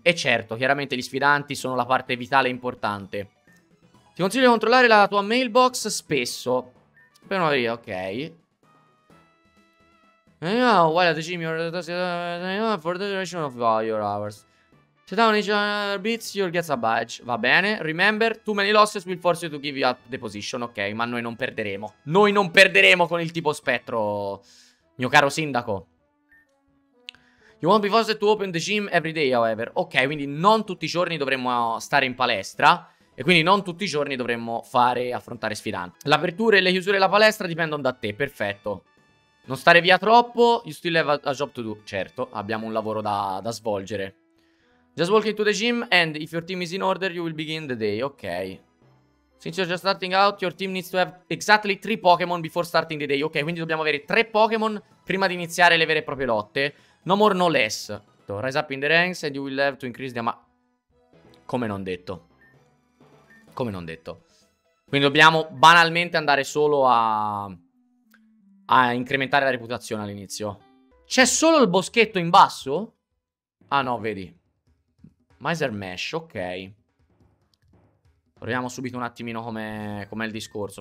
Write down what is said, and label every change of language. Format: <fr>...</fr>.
<it>E certo, chiaramente gli sfidanti sono la parte vitale e importante. Ti consiglio di controllare la tua mailbox spesso. Per una via, ok.</it> <en>While at the gym, for the duration of your hours. Sit down each other beats, you'll get a badge.</en> <it>Va bene.</it> <en>Remember, too many losses will force you to give up the position.</en> <it>Ok, ma noi non perderemo. Noi non perderemo con il tipo spettro, mio caro sindaco.</it> <en>You won't be forced to open the gym every day, however.</en> <it>Ok, quindi non tutti i giorni dovremmo stare in palestra. E quindi non tutti i giorni dovremmo affrontare sfidanti. L'apertura e le chiusure della palestra dipendono da te, perfetto. Non stare via troppo,</it> <en>you still have a job to do.</en> <it>Certo, abbiamo un lavoro da svolgere.</it> <en>Just walk into the gym and if your team is in order, you will begin the day, ok. Since you're just starting out, your team needs to have exactly 3 Pokémon before starting the day.</en> <it>Ok, quindi dobbiamo avere 3 Pokémon prima di iniziare le vere e proprie lotte.</it> <en>No more, no less. So, rise up in the ranks and you will have to increase the amount.</en> <it>Come non detto. Quindi dobbiamo banalmente andare solo a incrementare la reputazione all'inizio. C'è solo il boschetto in basso? Ah no, vedi. Miser Mesh, ok. Proviamo subito un attimino com'è il discorso.</it>